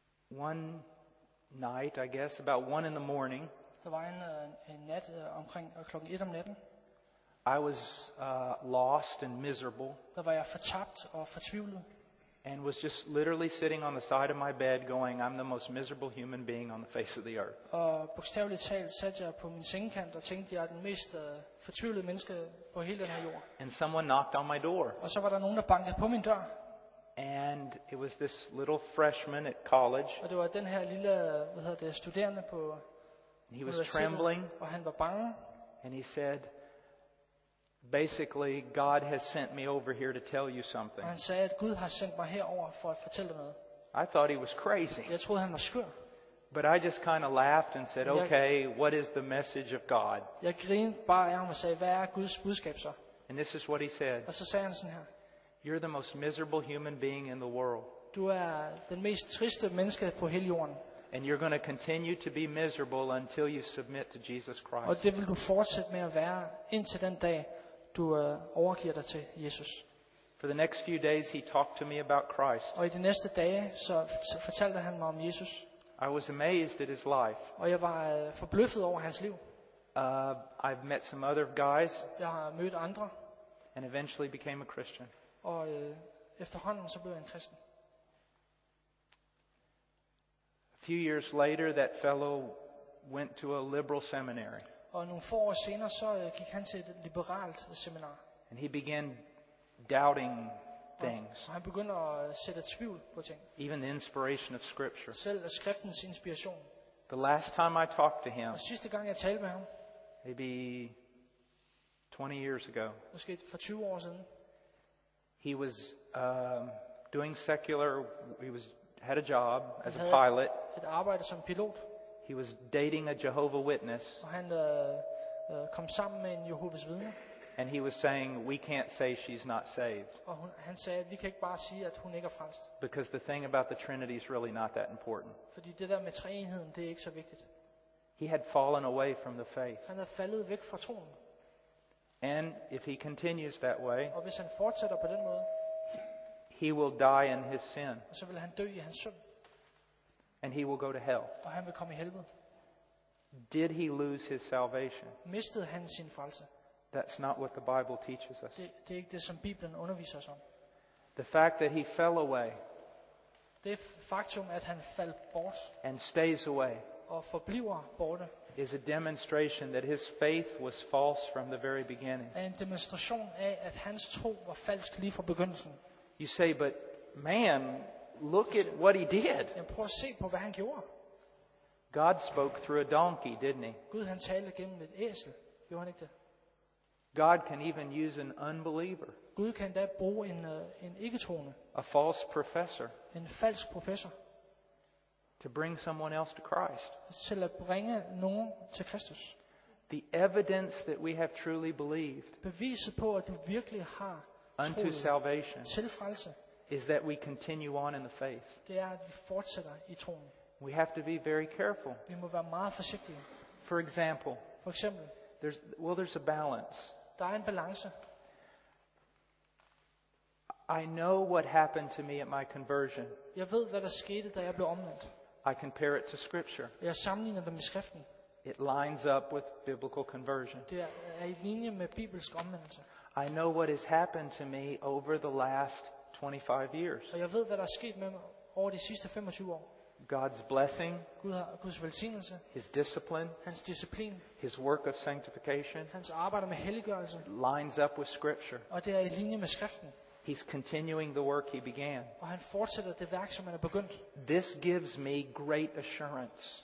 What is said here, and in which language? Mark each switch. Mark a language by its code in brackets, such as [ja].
[en] One night, I guess, about 1 in the morning. [da] Der var en nat omkring klokken 1 om natten. [en] I was lost and miserable. [da] Der var jeg fortabt og fortvivlet. [en] And was just literally sitting on the side of my bed going, I'm the most miserable human being on the face of the earth. [da] Og bogstaveligt talt sat jeg på min sengekant og tænkte, jeg er den mest fortvivlede menneske på hele den her jord. [en] And someone knocked on my door. [da] Og så var der nogen, der bankede på min dør. [en] And it was this little freshman at college. [da] Og det var den her lille, studerende på universitetet. [en] He was trembling. [da] Og han var bange. [en] And he said, basically, God has sent me over here to tell you something. [da] Han sagde, at Gud har sendt mig herover for at fortælle noget. [en] I thought he was crazy. [da] Jeg troede, han var skør. [en] But I just kind of laughed and said, okay, what is the message of God? [da] Jeg grinede bare af ham og sagde, hvad er Guds budskab så? [en] And this is what he said. [da] Og så sagde han sådan her. [en] You're the most miserable human being in the world. [da] Du er den mest triste menneske på hele jorden. [en] And you're going to continue to be miserable until you submit to Jesus Christ. [da] Og det vil du fortsætte med at være indtil den dag, du overgiver dig til Jesus. [en] For the next few days he talked to me about Christ. [da] Og i de næste dage så fortalte han mig om Jesus. [en] I was amazed at his life. [da] Og jeg var forbløffet over hans liv. [en] I've met some other guys. [da] Jeg har mødt andre. [en] And eventually became a Christian. [da] Og efterhånden så blev jeg en kristen. [en] A few years later that fellow went to a liberal seminary. [da] Og nogle få år senere så gik han til et liberalt seminar. [en] And he began doubting things. [da] Og han begyndte at sætte tvivl på ting. [en] Even the inspiration of scripture. [da] Selv skriftens inspiration. [en] The last time I talked to him. [da] Og sidste gang jeg talte med ham. [en] Maybe 20 years ago. [da] Måske for 20 år siden. [en] He was doing secular. He was had a job as a pilot. [da] Et arbejde som pilot. [en] He was dating a Jehovah Witness. [da] Og han kom sammen med en Jehovas vidne. [en] And he was saying, "We can't say she's not saved." [da] Og han sagde, vi kan ikke bare sige, at hun ikke er frelst. [en] Because the thing about the Trinity is really not that important. [da] Fordi det der med treenigheden, det er ikke så vigtigt. [en] He had fallen away from the faith. [da] Han er faldet væk fra troen. [en] And if he continues that way, [da] og hvis han fortsætter på den måde, [en] he will die in his sin. [da] Og så vil han dø i hans synd. [en] And he will go to hell. [da] Og han vil komme i helvede. [en] Did he lose his salvation? [da] Mistede han sin frelse? [en] That's not what the Bible teaches us. [da] Det er ikke det, som Bibelen underviser os om. [en] The fact that he fell away. [da] Det faktum, at han faldt bort. [en] And stays away. [da] Og forbliver borte. [en] Is a demonstration that his faith was false from the very beginning. [da] Er en demonstration af, at hans tro var falsk lige fra begyndelsen. [en] You say, but man, look at what he did. [da] Jamen, prøv at se på, hvad han gjorde. [en] God spoke through a donkey, didn't he? [da] Gud, han talte gennem et æsel. Gjorde han ikke det? [en] God can even use an unbeliever. [da] Gud kan da bruge en ikke-troende. [en] A false professor. [da] En falsk professor. [en] To bring someone else to Christ. [da] Til at bringe nogen til Kristus. [en] The evidence that we have truly believed. [da] Beviset på at du virkelig har [en] unto salvation. [da] Til frelse. [en] Is that we continue on in the faith. [da] Det er at vi fortsætter i troen. [en] We have to be very careful. [da] Vi må være meget forsigtige. [en] For example. [da] For eksempel. [en] There's a balance. [da] Der er en balance. [en] I know what happened to me at my conversion. [da] Jeg ved hvad der skete da jeg blev omvendt. [en] I compare it to scripture. [da] Jeg sammenligner det med skriften. [en] It lines up with biblical conversion. [da] Det er i linje med bibelsk omvendelse. [en] I know what has happened to me over the last 25 years. [da] Og jeg ved hvad der er sket med mig over de sidste 25 år. [en] God's blessing, [da] Guds velsignelse, [en] his discipline, [da] hans disciplin, [en] his work of sanctification, [da] hans arbejde med helliggørelse, [en] lines up with scripture. [da] Og det er i linje med skriften. [en] He's continuing the work he began. [da] Og han fortsætter det værk som han har begyndt. [en] This gives me great assurance.